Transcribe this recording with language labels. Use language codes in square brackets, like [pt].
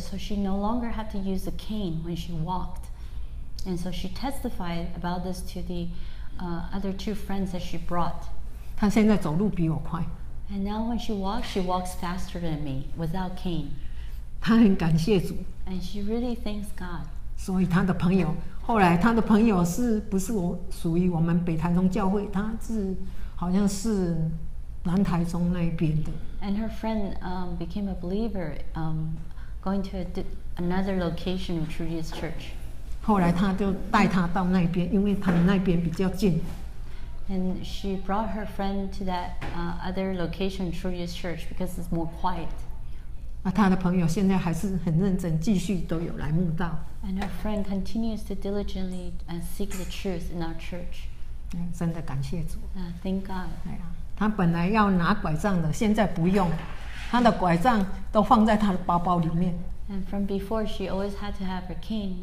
[en] So she no longer had to use a cane when she walked. And so she testified about this to the other two friends that she brought. [zh] 她现在走路比我快。 [en] And now when she walks faster than me without cane. [zh] 她很感谢主。 [en] And she really thanks God. [zh] 所以她的朋友，后来她的朋友是不是属于我们北台中教会，她是好像是南台中那边的。 [en] And her friend became a believer going to another location of Trudy's church. [zh] 后来她就带她到那边，因为他们那边比较近。 [en] And she brought her friend to that other location, Trudy's church, because it's more quiet. [zh] 她的朋友现在还是很认真，继续都有来慕道。 [en] And her friend continues to diligently seek the truth in our church. [zh] 真的感谢主。 [en] Thank God. [zh] 她本来要拿拐杖的，现在不用，她的拐杖都放在她的包包里面。 [en] And from before, she always had to have her cane.